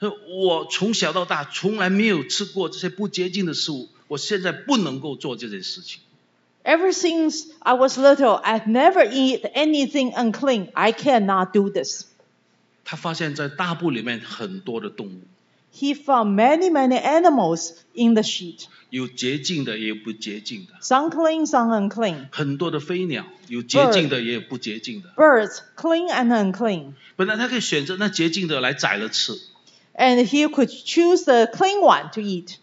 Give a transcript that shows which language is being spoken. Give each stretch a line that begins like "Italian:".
Chinese: 我从小到大从来没有吃过这些不洁净的食物，我现在不能够做这件事情。
English: Ever since I was little, I've never eat anything unclean. I cannot do this.
Chinese: 他发现在大布里面很多的动物。
English: He found many, many animals in the sheet.
Chinese: 有洁净的，也有不洁净的。
English: Some clean, some unclean.
Chinese: 很多的飞鸟，有洁净的，也有不洁净的。
English: Birds, clean and unclean.
Chinese: 本来他可以选择那洁净的来宰了吃。
English: And he could choose the clean one to eat.